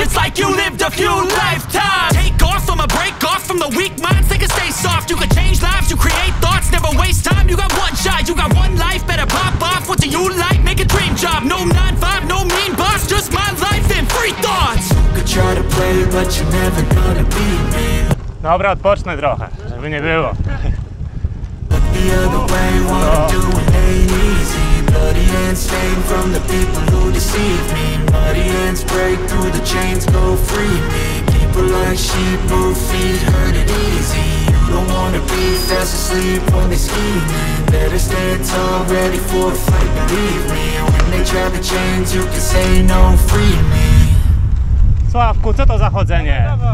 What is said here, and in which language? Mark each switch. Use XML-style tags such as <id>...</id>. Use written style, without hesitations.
<en>It's like you lived a few lifetimes. Take off, I'ma break off from the weak minds. They can stay soft. You can change lives, you create thoughts. Never waste time, you got one shot. You got one life, better pop off. What do you like? Make a dream job. No 9-5, no mean boss. Just my life and free thoughts. You could try to play, but you're never gonna beat me.</en> <pl>Dobra, odpocznę trochę, żeby nie było.</pl> <en>The other way, what I'm doing ain't easy. Bloody hands stained from the people who deceive me. Muddy hands break through the chains, go free me. People like sheep who feed, hurt it easy. You don't wanna be fast asleep when they scheme. Better stand tall, ready for a fight, believe me. When they try the chains, you can say no, free me.</en> <pl>Sławku, co to za chodzenie?</pl>